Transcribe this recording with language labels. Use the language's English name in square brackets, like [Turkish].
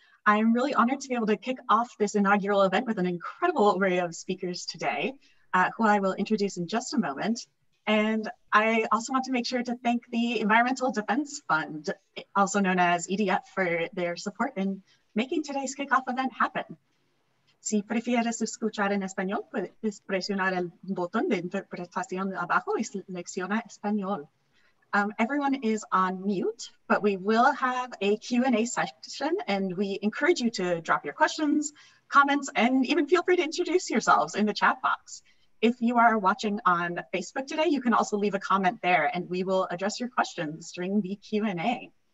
[English] I'm really honored to be able to kick off this inaugural event with an incredible array of speakers today, who I will introduce in just a moment. And I also want to make sure to thank the Environmental Defense Fund, also known as EDF, for their support in making today's kickoff event happen. [Spanish] Si prefieres escuchar en español, puedes presionar el botón de interpretación abajo y selecciona español. [English] Everyone is on mute, but we will have a Q&A session, and we encourage you to drop your questions, comments, and even feel free to introduce yourselves in the chat box. If you are watching on Facebook today, you can also leave a comment there, and we will address your questions during the Q&A.